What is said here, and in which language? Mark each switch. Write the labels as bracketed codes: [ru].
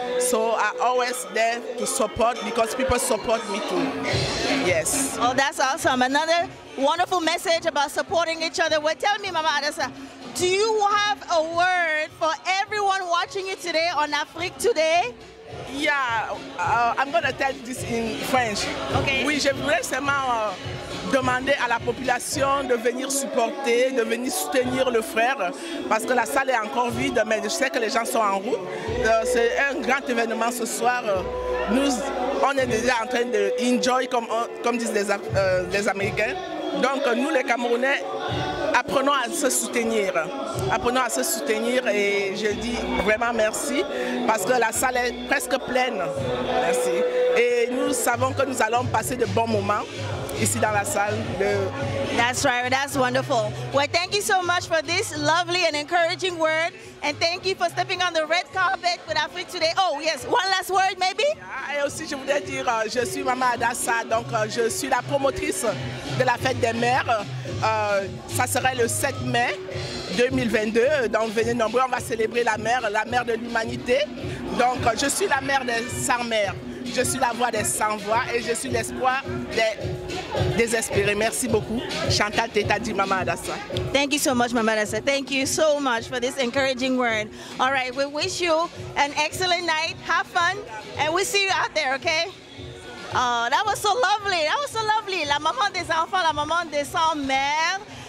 [en] So I'm always there to support because people support me too. Yes. Oh, that's awesome. Another wonderful message about supporting each other. Well, tell me, Mama Adassa, do you have a word for everyone watching you today on Afrique Today? Yeah, I'm going to tell this in French. Okay. [fr] Oui, je voulais seulement demander à la population de venir supporter, de venir soutenir le frère, parce que la salle est encore vide, mais je sais que les gens sont en route. C'est un grand événement ce soir. Nous, on est déjà en train de enjoy, comme disent les Américains. Donc, nous, les Camerounais, apprenons à se soutenir. Apprenons à se soutenir et je dis vraiment merci parce que la salle est presque pleine. Merci. Et nous savons que nous allons passer de bons moments ici dans la salle. [en] That's right, that's wonderful. Well, thank you so much for this lovely and encouraging word. And thank you for stepping on the red carpet with Afrique Today. Oh, yes, one last word, maybe? [fr] Et aussi, je voulais dire, je suis Mama Adassa, donc je suis la promotrice de la fête des mères. Ça serait le 7 mai 2022. Donc, venez nombreux, on va célébrer la mère de l'humanité. Donc, je suis la mère des 100 mères. Je suis la voix des sans-voix et je suis l'espoir des désespérés. Merci beaucoup. Chantal Teta dit Mama Adassa. [en] Thank you so much, Mama Adassa. Thank you so much for this encouraging word. All right, we wish you an excellent night. Have fun and we'll see you out there, okay? Oh, that was so lovely. That was so lovely. [fr] La maman des enfants, la maman des sans-mères.